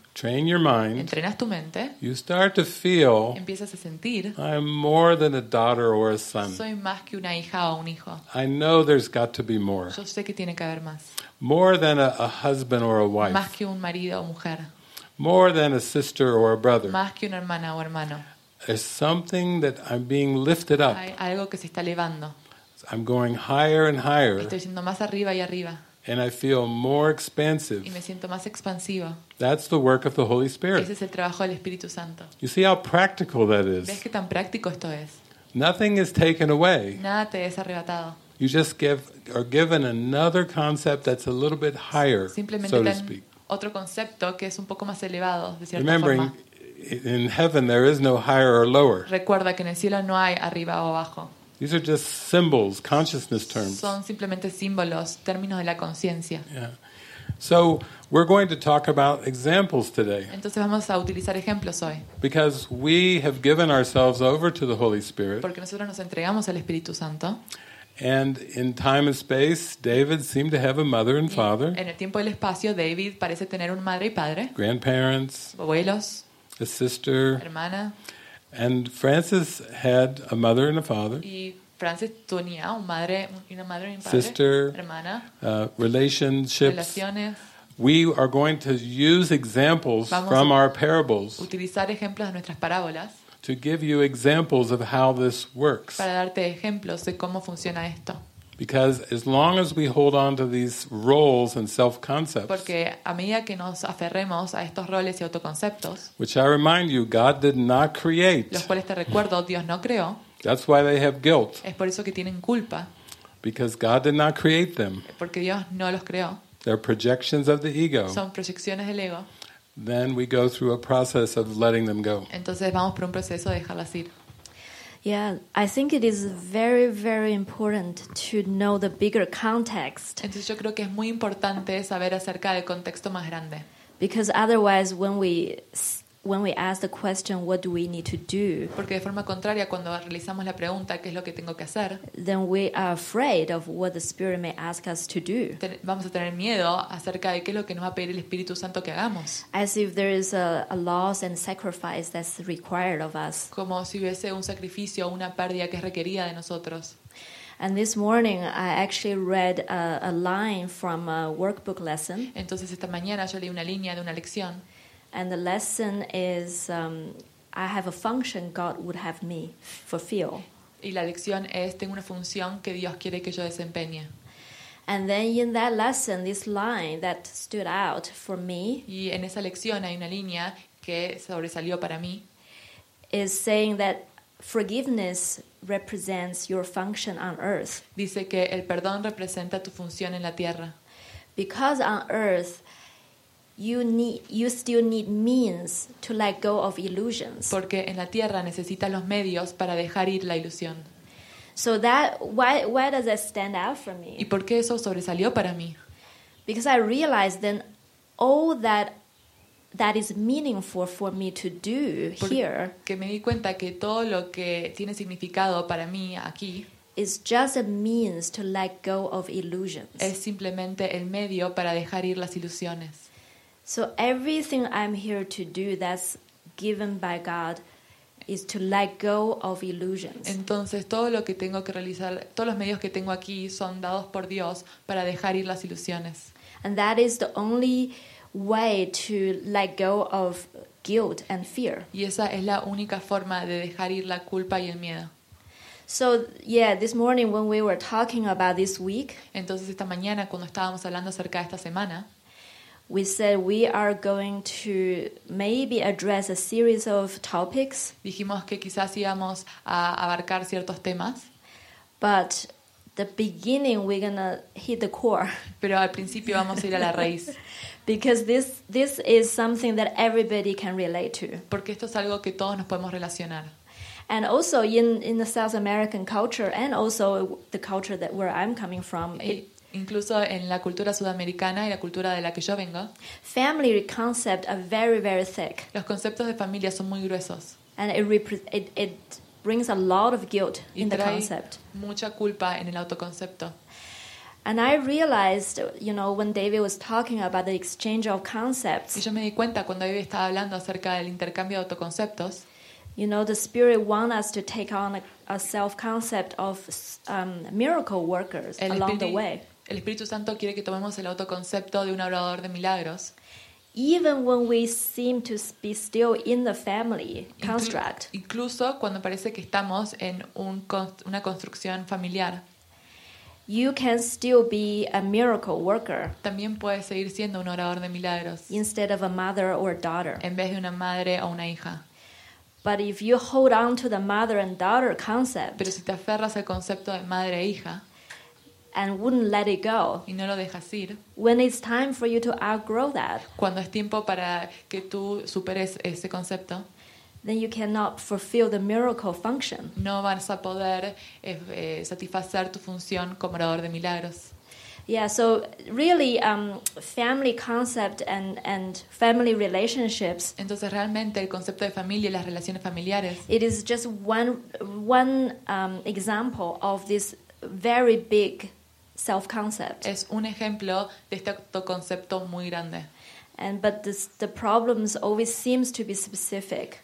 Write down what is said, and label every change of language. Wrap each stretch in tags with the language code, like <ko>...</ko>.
<en>train your mind,</en> <es>entrenas tu mente,</es> <en>you start to feel,</en> <es>empiezas a sentir,</es> <en>I am more than a daughter or a son.</en> <es>Soy más que una hija o un hijo.</es> <en>I know there's got to be more.</en> <es>Yo sé que tiene que haber más.</es> <en>More than a husband or a wife.</en> <es>Más que un marido o mujer.</es> <en>More than a sister or a brother.</en> <es>Más que una hermana o hermano.</es> <en>There's something that I'm being lifted up.</en> <es>Hay algo que se está elevando.</es> <en>I'm going higher and higher.</en> <es>Estoy yendo más arriba y arriba.</es> <en>And I feel more expansive.</en> <es>Y me siento más expansiva.</es> <en>That's the work of the Holy Spirit.</en> <es>Ese es el trabajo del Espíritu Santo.</es> <en>You see how practical that is.</en> <es>¿Ves qué tan práctico esto es?</es> <en>Nothing is taken away.</en> <es>Nada te es arrebatado.</es> <en>You just are given another concept that's a little bit higher, so to speak.</en> <es>Otro concepto que es un poco más elevado, de cierta</es> <en>Remembering,</en> <es>forma.</es> <en>In heaven there is no higher or lower.</en> <es>Recuerda que en el cielo no hay arriba o abajo.</es> <en>These are just symbols, consciousness terms.</en> <es>Son simplemente símbolos, términos de la conciencia. Yeah.</es> <en>So we're going to talk about examples today.</en> <es>Entonces vamos a utilizar ejemplos hoy.</es> <en>Because we have given ourselves over to the Holy Spirit.</en> <es>Porque nosotros nos entregamos al Espíritu Santo.</es> <en>And in time and space, David seemed to have a mother and father.</en> <es>En el tiempo y el espacio, David parece tener un madre y padre.</es> <en>Grandparents.</en> <es>Abuelos.</es> <en>A sister.</en> <es>Hermana.</es> <en>And Francis had a mother and a father.</en> <es>Y Frances tenía un madre, una madre y un padre,</es> <en>sister,</en> <es>hermana,</es> <en>relationships.</en> <es>Relaciones.</es> <en>We are going to use examples</en> <es>Vamos</es> <en>from our parables</en> <es>utilizar ejemplos de nuestras parábolas</es> <en>to give you examples of how this works.</en> <es>Para darte ejemplos de cómo funciona esto.</es> <en>Because as long as we hold on to these roles and self-concepts,</en> <es>porque a medida que nos aferremos a estos roles y autoconceptos,</es> <en>which I remind you, God did not create.</en> <es>Los cuales te recuerdo, Dios no creó.</es> <en>That's why they have guilt.</en> <es>Es por eso que tienen culpa.</es> <en>Because God did not create them.</en> <es>Porque Dios no los creó.</es> <en>They're projections of the ego.</en> <es>Son proyecciones del ego.</es> <en>Then we go through a process of letting them go.</en> <es>Entonces vamos por un proceso de dejarlas ir.</es> <en>Yeah, I think it is very, very important to know the bigger context.</en> <es>Entonces yo creo que es muy importante saber acerca del contexto más grande.</es> <en>Because otherwise, when we ask the question, what do we need to do?</en> <es>Porque de forma contraria, cuando realizamos la pregunta, ¿qué es lo que tengo que hacer?</es> <en>Then we are afraid of what the Spirit may ask us to do.</en> <es>Vamos a tener miedo acerca de qué es lo que nos va a pedir el Espíritu Santo que hagamos.</es> <en>As if there is a loss and sacrifice that's required of us.</en> <es>Como si hubiese un sacrificio o una pérdida que es requerida de nosotros.</es> <en>And this morning I actually read a line from a workbook lesson.</en> <es>Entonces esta mañana yo leí una línea de una lección.</es> <en>And the lesson is I have a function God would have me fulfill.</en> <es>Y la lección es tengo una función que Dios quiere que yo desempeñe.</es> <en>And then in that lesson this line that stood out for me.</en> <es>Y en esa lección hay una línea que sobresalió para mí.</es> <en>Is saying that forgiveness represents your function on earth.</en> <es>Dice que el perdón representa tu función en la tierra.</es> <en>Because on earth You still need means to let go of illusions.</en> <es>Porque en la tierra necesitas los medios para dejar ir la ilusión.</es> <en>So that why does that stand out for me?</en> <es>¿Y por qué eso sobresalió para mí?</es> <en>Because I realized then all that is meaningful for me to do here.</en> <es>Porque me di cuenta que todo lo que tiene significado para mí aquí</es> <en>is just a means to let go of illusions.</en> <es>Es simplemente el medio para dejar ir las ilusiones.</es> <en>So everything I'm here to do that's given by God is to let go of illusions.</en> <es>Entonces todo lo que tengo que realizar, todos los medios que tengo aquí son dados por Dios para dejar ir las ilusiones.</es> <en>And that is the only way to let go of guilt and fear.</en> <es>Y esa es la única forma de dejar ir la culpa y el miedo.</es> <en>So yeah, this morning when we were talking about this week,</en> <es>entonces esta mañana cuando estábamos hablando acerca de esta semana,</es> <en>we said we are going to maybe address a series of topics.</en> <es>Dijimos que quizás íbamos a abarcar ciertos temas.</es> <en>But the beginning we're going to hit the core.</en> <es>Pero al principio vamos a ir a la raíz.</es> <en>Because this is something that everybody can relate to.</en> <es>Porque esto es algo que todos nos podemos relacionar.</es> <en>And also in the South American culture and also the culture that where I'm coming from,</en> <es>incluso en la cultura sudamericana y la cultura de la que yo vengo,</es> <en>family concept are very, very thick.</en> <es>Los conceptos de familia son muy gruesos.</es> <en>And it brings a lot of guilt in the concept.</en> <es>Y trae mucha culpa en el autoconcepto.</es> <en>And I realized, you know, when David was talking about the exchange of concepts.</en> <es>Y yo me di cuenta cuando David estaba hablando acerca del intercambio de autoconceptos.</es> <en>You know, the Spirit wants us to take on a self-concept of miracle workers along the way.</en> <es>El Espíritu Santo quiere que tomemos el autoconcepto de un obrador de milagros.</es> <en>Even when we seem to be still in the family construct.</en> <es>Incluso cuando parece que estamos en una construcción familiar.</es> <en>You can still be a miracle worker.</en> <es>También puedes seguir siendo un obrador de milagros.</es> <en>Instead of a mother or daughter.</en> <es>En vez de una madre o una hija.</es> <en>But if you hold on to the mother and daughter concept.</en> <es>Pero si te aferras al concepto de madre e hija.</es> <en>And wouldn't let it go.</en> <es>Y no lo dejas ir.</es> <en>When it's time for you to outgrow that.</en> <es>Cuando es tiempo para que tú superes ese concepto.</es> <en>Then you cannot fulfill the miracle function.</en> <es>No vas a poder satisfacer tu función como orador de milagros.</es> <en>Yeah, so really family concept and family relationships.</en> <es>Entonces realmente el concepto de familia y las relaciones familiares.</es> <en>It is just one example of this very big self-concept.</en> <es>Es un ejemplo de este autoconcepto muy grande.</es> <en>And but the problems always seems to be specific.</en>